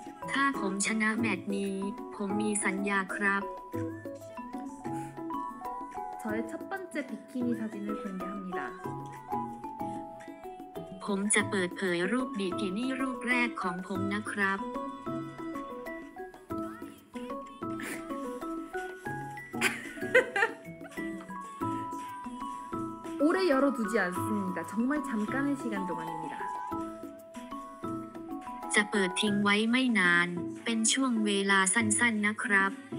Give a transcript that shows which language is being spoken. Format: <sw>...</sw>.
<th>ถ้าผมชนะแมตช์นี้ผมมีสัญญาครับ</th> <ko>저의첫번째비키니사진을공개합니다</ko> <th>ผมจะเปิดเผยรูปบิกินี่รูปแรกของผมนะครับ</th> <ko>오래열어두지않습니다정말잠깐의시간동안입니다</ko> <th>จะเปิดทิ้งไว้ไม่นานเป็นช่วงเวลาสั้นๆ นะครับ</th>